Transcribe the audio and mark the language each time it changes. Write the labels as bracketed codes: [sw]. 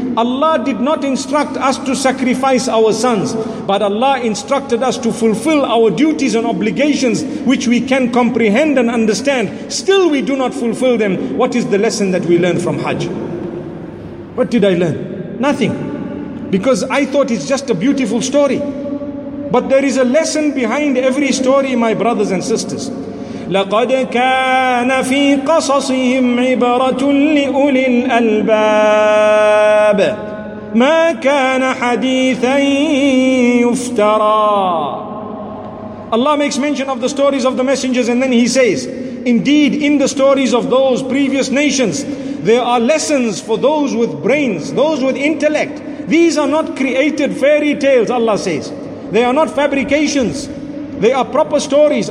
[en] Allah did not instruct us to sacrifice our sons, but Allah instructed us to fulfill our duties and obligations which we can comprehend and understand. Still we do not fulfill them. What is the lesson that we learn from Hajj? What did I learn? Nothing. Because I thought it's just a beautiful story. But there is a lesson behind every story, my brothers and sisters. [ar] لقد كان في قصصهم عبرة لأولي الألباب ما كان حديثا يفترى. [en] Allah makes mention of the stories of the messengers, and then he says, indeed, in the stories of those previous nations, there are lessons for those with brains, those with intellect. These are not created fairy tales, Allah says. They are not fabrications. They are proper stories.